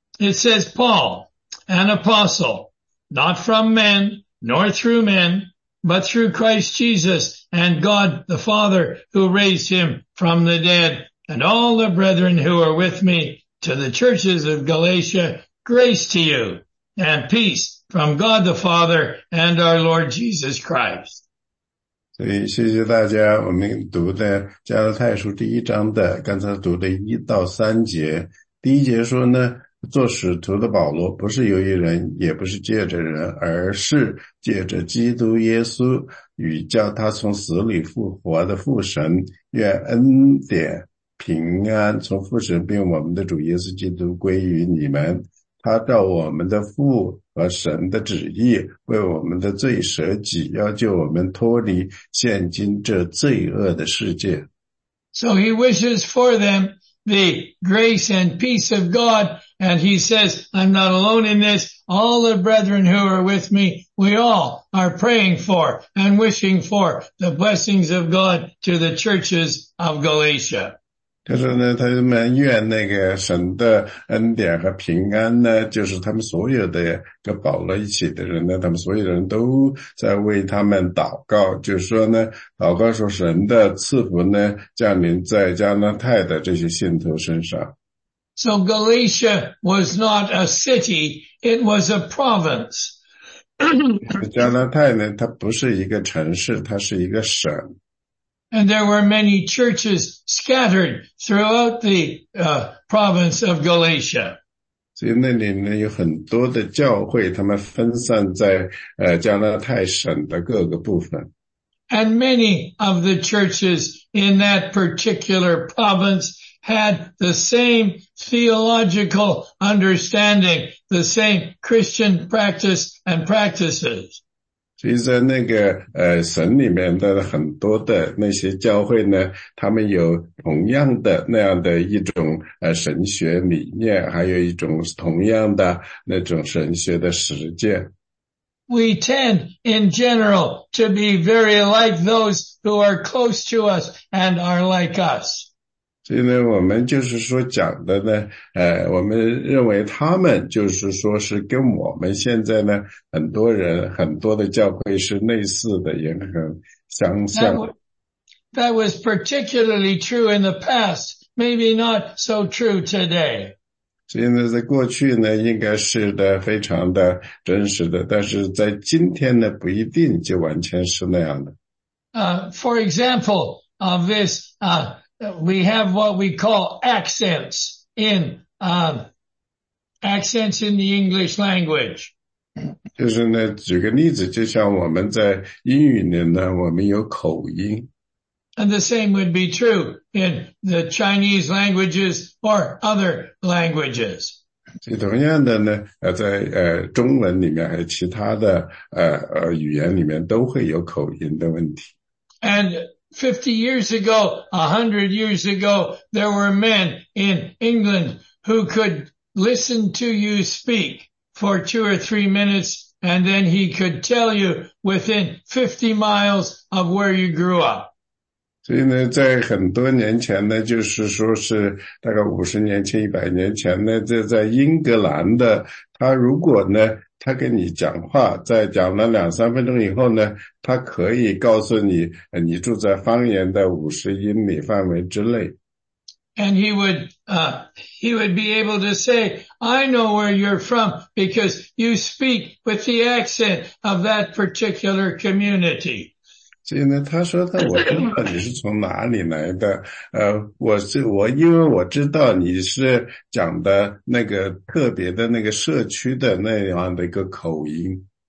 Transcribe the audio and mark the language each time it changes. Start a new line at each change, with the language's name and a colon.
English: It says, Paul, an apostle, not from men nor through men, but through Christ Jesus and God the Father who raised him from the dead, and all the brethren who are with me to the churches of Galatia, grace to you and peace from God the Father and our Lord Jesus Christ.
Chinese: 所以谢谢大家，我们读的加拉太书第一章的刚才读的一到三节，第一节说呢，做使徒的保罗不是由于人也不是借着人，而是借着基督耶稣与叫他从死里复活的父神，愿恩典平安从父神并我们的主耶稣基督归于你们，他照我们的父和神的旨意为我们的罪舍己，要救我们脱离现今这罪恶的世界。
English: So he wishes for them the grace and peace of God, and he says, I'm not alone in this, all the brethren who are with me, we all are praying for and wishing for the blessings of God to the churches of Galatia.
Chinese: 他说呢，他们愿那个神的恩典和平安呢，就是他们所有的跟保罗一起的人呢，他们所有的人都在为他们祷告，就是说呢，祷告说神的赐福呢降临在加拉太的这些信徒身上。
English: So Galatia was not a city, it was a province.
Chinese: 加拉太呢，它不是一个城市，它是一个省。
English: And there were many churches scattered throughout the province of Galatia.
Chinese: 所以那里呢有很多的教会，他们分散在加拉太省的各个部分。
English: And many of the churches in that particular province had the same theological understanding, the same Christian practice and practices.
Chinese: 所以在那个省里面的很多的那些教会呢，他们有同样的那样的一种神学理念，还有一种同样的那种神学的实践。
English: We tend in general to be very like those who are close to us and are like us.
Chinese: 所以呢，我们就是说讲的呢，我们认为他们就是说是跟我们现在呢很多人很多的教会是类似的，也很相像。
English: That was particularly true in the past, maybe not so true today.
Chinese: 所以呢，在过去呢，应该是的非常的真实的，但是在今天呢，不一定就完全是那样的。
English: For example, of this, we have what we call accents in, accents in the English language.
Chinese: 就是呢，举个例子，就像我们在英语里呢，我们有口音。
English: And the same would be true in the Chinese languages or other languages.
Chinese: 同样的呢，在中文里面还有其他的语言里面都会有口音的问题。
English: And 50 years ago, 100 years ago, there were men in England who could listen to you speak for 2 or 3 minutes, and then he could tell you within 50 miles of where you grew up.
Chinese: 所以呢，在很多年前呢，就是说是大概50年前、100年前呢，这在英格兰的，他如果呢，他跟你讲话，在讲了两三分钟以后呢，他可以告诉你，你住在方言的50英里范围之内。
English: And he would be able to say, I know where you're from because you speak with the accent of that particular community.
Chinese: 所以呢，他说的我知道你是从哪里来的，我因为我知道你是讲的那个特别的那个社区的那样的一个口音。